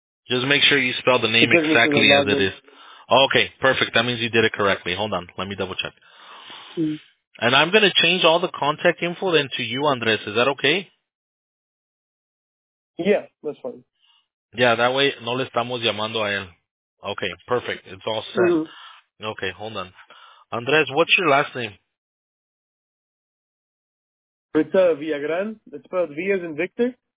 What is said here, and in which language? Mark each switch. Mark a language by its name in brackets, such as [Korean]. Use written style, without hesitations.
[English] Just make sure you spell the name exactly as it is. Oh, okay, perfect. That means you did it correctly. Hold on. Let me double check. And I'm going to change all the contact info then to you, Andres. Is that okay? Yeah, that's fine. Yeah, that way [Spanish] no le estamos llamando a él. [English] Okay, perfect. It's all set. Mm-hmm. Okay, hold on. Andres, what's your last name? It's Villagran. It's spelled V as in Victor.